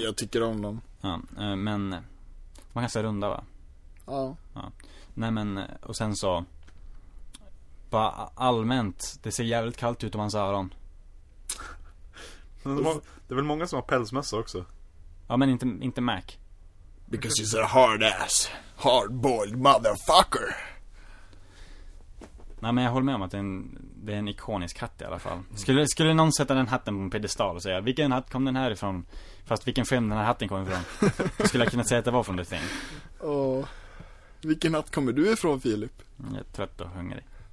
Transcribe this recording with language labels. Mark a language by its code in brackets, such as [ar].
[sv] Jag tycker om dem. Ja, men man kan säga runda va? Ja. Ja. Nej, men, och sen så bara allmänt, det ser jävligt kallt ut om hans öron. Det är väl många som har pälsmössa också. Ja, men inte Mac. [en] Because he's a hard ass, hard boiled motherfucker. [sv] Nej, men jag håller med om att det är en ikonisk hatt i alla fall. Skulle någon sätta den hatten på en pedestal och säga, vilken hatt kom den här ifrån? Fast vilken film den här hatten kom ifrån? Då skulle jag kunna säga att det var från The Thing. Åh, vilken hatt kommer du ifrån, Filip? Jag är trött och hungrig.